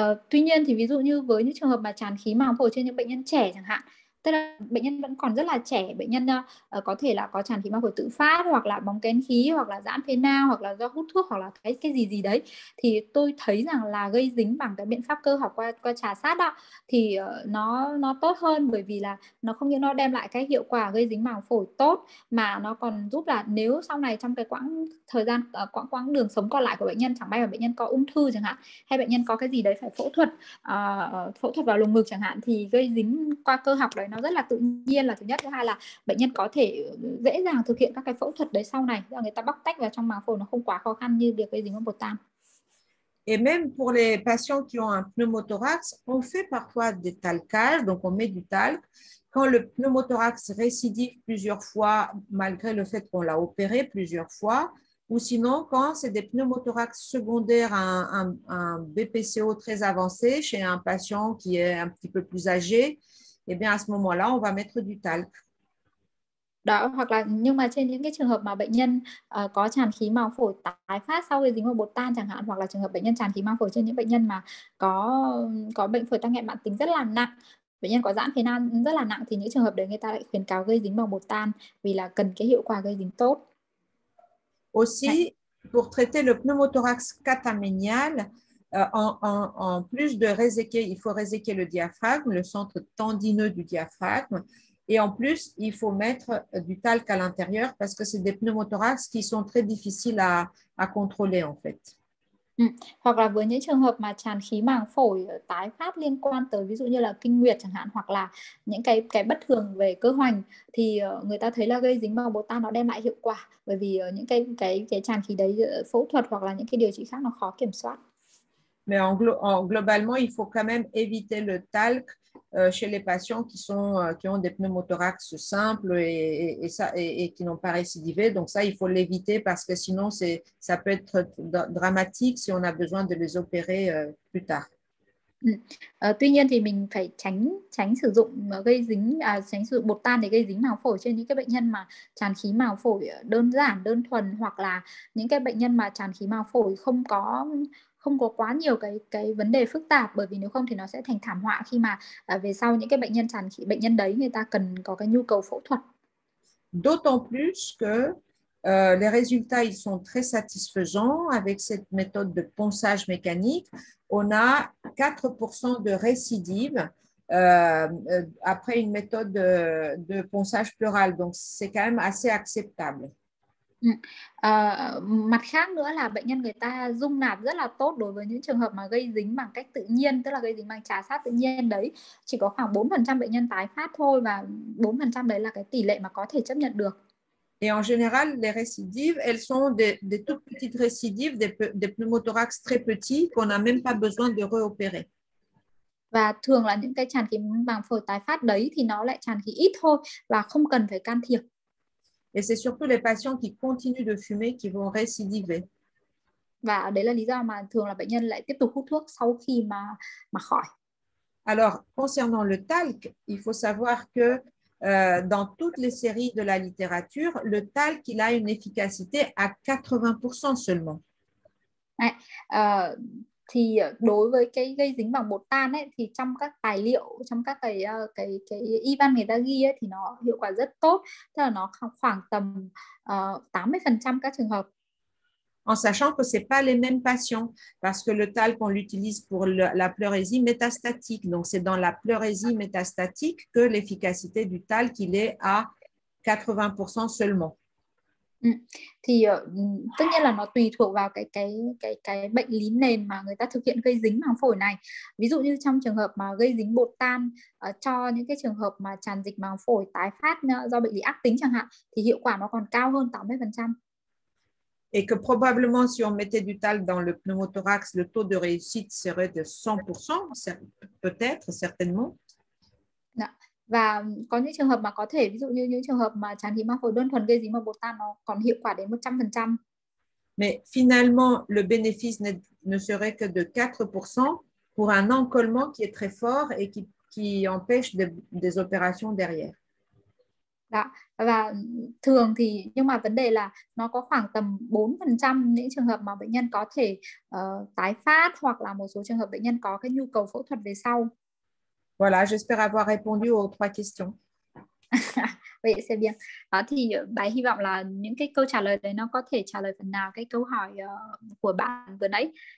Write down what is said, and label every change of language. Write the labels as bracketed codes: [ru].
[vi] Tuy nhiên thì ví dụ như với những trường hợp mà tràn khí màng phổi trên những bệnh nhân trẻ chẳng hạn, tức là bệnh nhân vẫn còn rất là trẻ, bệnh nhân có thể là có tràn khí màng phổi tự phát hoặc là bóng kén khí hoặc là giãn phế nang hoặc là do hút thuốc hoặc là cái gì gì đấy, thì tôi thấy rằng là gây dính bằng cái biện pháp cơ học qua trà sát đó thì nó tốt hơn, bởi vì là nó không những nó đem lại cái hiệu quả gây dính màng phổi tốt mà nó còn giúp là nếu sau này trong cái quãng thời gian quãng đường sống còn lại của bệnh nhân, chẳng may mà bệnh nhân có ung thư chẳng hạn hay bệnh nhân có cái gì đấy phải phẫu thuật vào lồng ngực chẳng hạn, thì gây dính qua cơ học đấy nó rất là tự nhiên là thứ nhất, thứ hai là bệnh nhân có thể dễ dàng thực hiện các cái phẫu thuật đấy sau này, là người ta bóc tách vào trong màng phổi nó không quá khó khăn như việc gây dính bằng bột tan. [fr] Et même pour les patients qui ont un pneumothorax, on fait parfois des talcages, donc on met du talc. Quand le pneumothorax récidive plusieurs fois, malgré le fait qu'on l'a opéré plusieurs fois, ou sinon quand c'est des pneumothorax secondaires à un BPCO très avancé chez un patient qui est un petit peu plus âgé, Eh bien, à ce moment-là, on va mettre du talc. [vi] Đó, hoặc là nhưng mà trên những cái trường hợp mà bệnh nhân có tràn khí màng phổi tái phát sau khi dính vào bột tan chẳng hạn, hoặc là trường hợp bệnh nhân tràn khí màng phổi trên những bệnh nhân mà có bệnh phổi tắc nghẽn mãn tính rất là nặng, bệnh nhân có giãn phế nang rất là nặng, thì những trường hợp đấy người ta lại khuyến cáo gây dính bằng bột tan vì là cần cái hiệu quả gây dính tốt. [fr] Aussi pour traiter le pneumothorax cataménial en plus de réséquer, il faut réséquer le diaphragme, le centre tendineux du diaphragme. Et en plus, il faut mettre du talc à l'intérieur parce que c'est des pneumothorax qui sont très difficiles à contrôler en fait. [vi] Hoặc là với những trường hợp mà tràn khí màng phổi tái phát liên quan tới ví dụ như là kinh nguyệt chẳng hạn, hoặc là những cái bất thường về cơ hoành, thì người ta thấy là gây dính bằng bột tan nó đem lại hiệu quả, bởi vì những cái tràn khí đấy phẫu thuật hoặc là những cái điều trị khác nó khó kiểm soát. [fr] Mais globalement, il faut quand même éviter le talc chez les patients qui ont des pneumothorax simples et qui n'ont pas récidivé. Donc ça, il faut l'éviter parce que sinon, ça peut être dramatique si on a besoin de les opérer plus tard. [vi] Tuy nhiên thì mình phải tránh sử dụng gây dính tránh sử dụng bột tan để gây dính màng phổi trên những cái bệnh nhân mà tràn khí màng phổi đơn giản đơn thuần, hoặc là những cái bệnh nhân mà tràn khí màng phổi không có quá nhiều cái vấn đề phức tạp, bởi vì nếu không thì nó sẽ thành thảm họa khi mà về sau những cái bệnh nhân tràn khí bệnh nhân đấy người ta cần có cái nhu cầu phẫu thuật. [fr] D'autant plus que les résultats ils sont très satisfaisants avec cette méthode de ponçage mécanique. On a 4% de récidive après une méthode de ponçage pleural. Donc, c'est quand même assez acceptable. [vi] Mặt khác nữa là bệnh nhân người ta dung nạp rất là tốt đối với những trường hợp mà gây dính bằng cách tự nhiên, tức là gây dính bằng trà sát tự nhiên đấy. Chỉ có khoảng 4% bệnh nhân tái phát thôi, và 4% đấy là cái tỷ lệ mà có thể chấp nhận được. [fr] Et en général, les récidives, elles sont des toutes petites récidives, des pneumothorax très petits qu'on n'a même pas besoin de réopérer. [vi] Và thường là những cái tràn khí màng phổi tái phát đấy thì nó lại tràn khí ít thôi và không cần phải can thiệp. [fr] Et c'est surtout les patients qui continuent de fumer qui vont récidiver. [vi] Và đấy là lý do mà thường là bệnh nhân lại tiếp tục hút thuốc sau khi mà khỏi. [fr] Alors, concernant le talc, il faut savoir que dans toutes les séries de la littérature, le talc il a une efficacité à 80% seulement. [vi] Ouais, thì đối với cái gây dính bằng bột tan ấy, thì trong các tài liệu, trong các cái y văn người ta ghi ấy, thì nó hiệu quả rất tốt, tức là nó khoảng tầm 80% các trường hợp. [fr] En sachant que ce n'est pas les mêmes patients, parce que le talc, on l'utilise pour la pleurésie métastatique. Donc, c'est dans la pleurésie métastatique que l'efficacité du talc, il est à 80% seulement. [vi] Thì tất nhiên là nó tùy thuộc vào cái bệnh lý nền mà người ta thực hiện gây dính màng phổi này. Ví dụ như trong trường hợp mà gây dính bột tan cho những cái trường hợp mà tràn dịch màng phổi tái phát do bệnh lý ác tính chẳng hạn, thì hiệu quả nó còn cao hơn 80%. [fr] Et que probablement, si on mettait du talc dans le pneumothorax, le taux de réussite serait de 100%, peut-être, certainement. [vi] Đã. Và có những trường hợp mà có thể, ví dụ như những trường hợp mà tràn khí màng phổi đơn thuần gây dính bằng bột tan, nó còn hiệu quả đến 100%. [fr] Mais finalement, le bénéfice ne serait que de 4% pour un encollement qui est très fort et qui empêche des opérations derrière. [vi] Đã. Và thường thì, nhưng mà vấn đề là nó có khoảng tầm 4% những trường hợp mà bệnh nhân có thể tái phát, hoặc là một số trường hợp bệnh nhân có cái nhu cầu phẫu thuật về sau. [fr] Voilà, j'espère avoir répondu aux trois questions. [vi] Vậy [fr] c'est bien. [vi] Đó, thì bà hy vọng là những cái câu trả lời đấy nó có thể trả lời phần nào cái câu hỏi của bạn vừa nãy.